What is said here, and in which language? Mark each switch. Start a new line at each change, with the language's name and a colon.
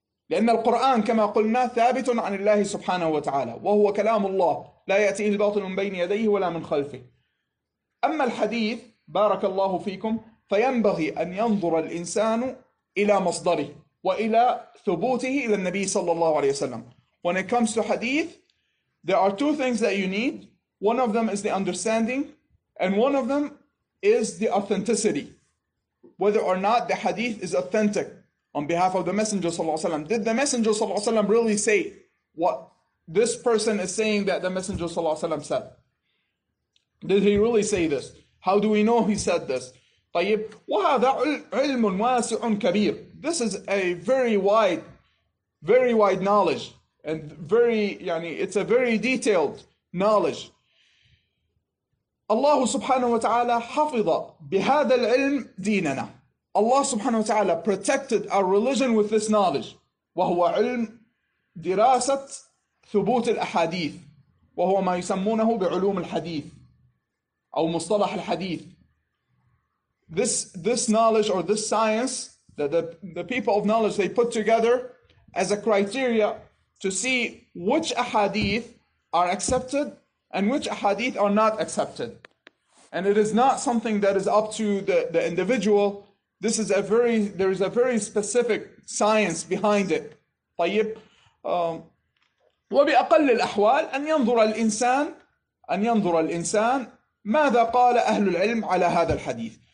Arabic: لأن القرآن كما قلنا ثابت عن الله سبحانه وتعالى وهو كلام الله لا يأتيه الباطل من بين يديه ولا من خلفه. أما الحديث بارك الله فيكم فينبغي أن ينظر الإنسان إلى مصدره وإلى ثبوته إلى النبي صلى الله عليه وسلم.
English: When it comes to hadith, there are two things that you need. One of them is the understanding and one of them is the authenticity. Whether or not the hadith is authentic on behalf of the Messenger صلى الله عليه وسلم. Did the Messenger صلى الله عليه وسلم really say what this person is saying that the Messenger صلى الله عليه وسلم said? Did he really say this? How do we know he said this?
Arabic: طيب وهذا علم واسع كبير.
English: This is a very wide knowledge and very, يعني it's a very detailed knowledge.
Arabic: الله سبحانه وتعالى حفظ بهذا العلم ديننا. الله سبحانه وتعالى
English: protected our religion with this knowledge
Arabic: وهو علم دراسة ثبوت الأحاديث وهو ما يسمونه بعلوم الحديث أو مصطلح الحديث.
English: This knowledge or this science that the people of knowledge they put together as a criteria to see which ahadith are accepted and which ahadith are not accepted. And it is not something that is up to the individual. This is there is a very specific science behind it.
Arabic: طيب وبأقل الأحوال أن ينظر الإنسان ماذا قال أهل العلم على هذا الحديث.